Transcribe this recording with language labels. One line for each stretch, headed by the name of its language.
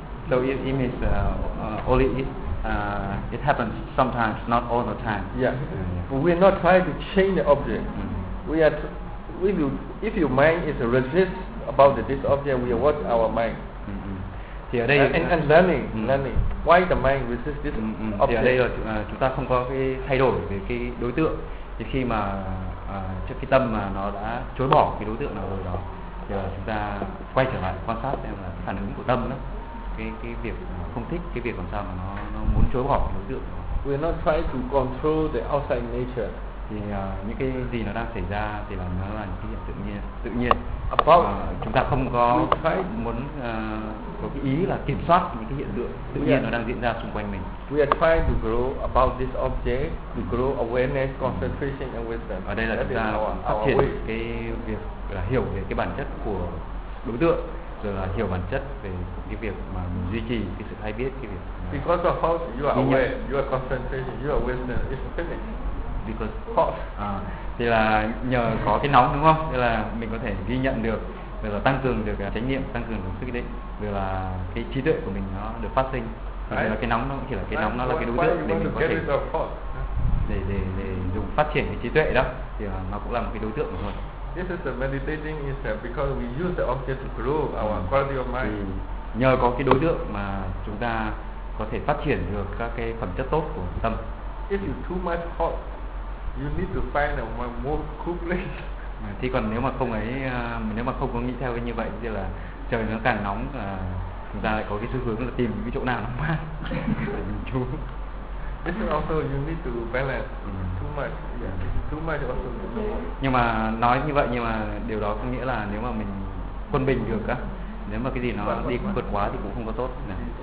English: So it means only it happens sometimes, not all the time. Yeah. Mm-hmm. We are not trying to change the object. Mm-hmm. If your mind is resist about this object, we watch our mind.
Vietnamese: Thì ở đây
English: and learning, learning. Why the mind resist this object?
Vietnamese: Thì ở đây là chúng ta không có cái thay đổi về cái đối tượng. Thì khi mà trước cái tâm mà nó đã chối bỏ cái đối tượng nào rồi đó, thì chúng ta quay trở lại quan sát xem là phản ứng của tâm đó. Cái việc không thích, cái việc làm sao mà nó muốn chối bỏ đối tượng.
English: We're not trying to control the outside nature.
Vietnamese: Thì những cái gì nó đang xảy ra thì là nó là những cái hiện tự nhiên.
English: About
Vietnamese: chúng ta không có muốn có cái ý là kiểm soát những cái hiện tượng tự nhiên nó đang diễn ra xung quanh mình.
English: We are trying to grow about this object, to grow awareness, concentration and wisdom.
Vietnamese: Ở đây là chúng ta phát triển cái việc là hiểu về cái bản chất của đối tượng. Rồi là hiểu bản chất về cái việc mà mình duy trì cái sự hay biết, cái việc
English: because of hot, you are aware, you are concentration, you are wisdom, it's finished because hot
Vietnamese: thì là nhờ có cái nóng đúng không, tức là mình có thể ghi nhận được, rồi là tăng cường được chánh niệm, tăng cường được sức định, rồi là cái trí tuệ của mình nó được phát sinh, rồi là cái nóng nó cũng chỉ là cái nóng, nó là cái đối tượng để mình có thể để dùng phát triển cái trí tuệ đó, thì nó cũng là một cái đối tượng thôi.
English: this is the meditating is that because we use the object to grow our quality of mind.
Vietnamese: Nhờ có cái đối tượng mà chúng ta có thể phát triển được các cái phẩm chất tốt của tâm.
English: If you too much hot, you need to find a more cool place.
Vietnamese: Thì còn nếu mà không ấy, nếu mà không có nghĩ theo cái như vậy thì là trời nó càng nóng, chúng ta lại có cái xu hướng là tìm cái chỗ nào nó mát để mình trú.
English: This is also you need to balance too much. Yeah, too much also.
Vietnamese: Nhưng mà nói như vậy nhưng mà điều đó có nghĩa là nếu mà mình quân bình được á, nếu mà cái gì nó đi vượt quá thì cũng không có tốt. Nè.